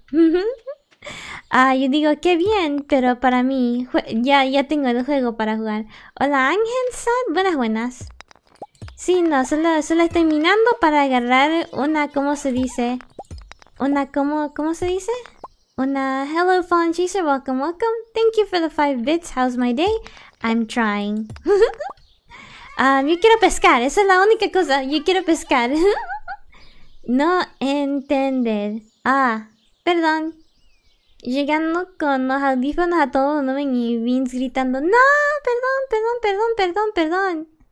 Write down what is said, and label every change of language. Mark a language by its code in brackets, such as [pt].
[es] yo digo, qué bien, pero para mí ya tengo el juego para jugar. Hola, Ángel-san. Buenas, buenas. Sí, no, solo estoy minando para agarrar una, ¿cómo se dice? Una, ¿cómo se dice? Una, hello, Fallen Chaser, [en] welcome, welcome. Thank you for the 5 bits, how's my day? I'm trying. [es] yo quiero pescar, esa es la única cosa, yo quiero pescar. No entender. Ah, perdón. Llegando con los audífonos a todo volumen y Vince gritando, no, perdón, perdón, perdón, perdón, perdón.